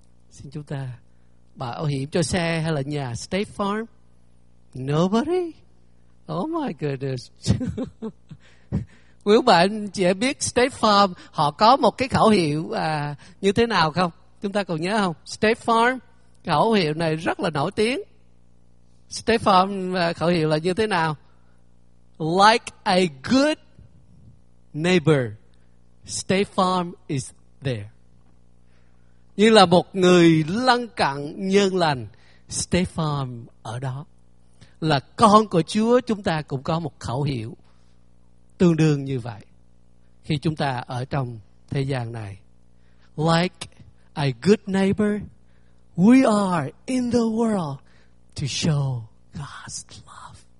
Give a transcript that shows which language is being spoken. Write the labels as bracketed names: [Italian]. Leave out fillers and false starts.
[Vietnamese] Xin chúng ta bảo hiểm cho xe hay là nhà State Farm? [English] Nobody. Oh my goodness. [Vietnamese] Nếu bạn chị em biết State Farm họ có một cái khẩu hiệu như thế nào không? Chúng ta còn nhớ không? State Farm khẩu hiệu này rất là nổi tiếng. State Farm khẩu hiệu là như thế nào? [English] Like a good neighbor, State Farm is there. [Vietnamese] Như là một người lân cận nhân lành, State Farm ở đó. Là con của Chúa, chúng ta cũng có một khẩu hiệu tương đương như vậy khi chúng ta ở trong thế gian này. [English] Like a good neighbor, we are in the world to show God's love.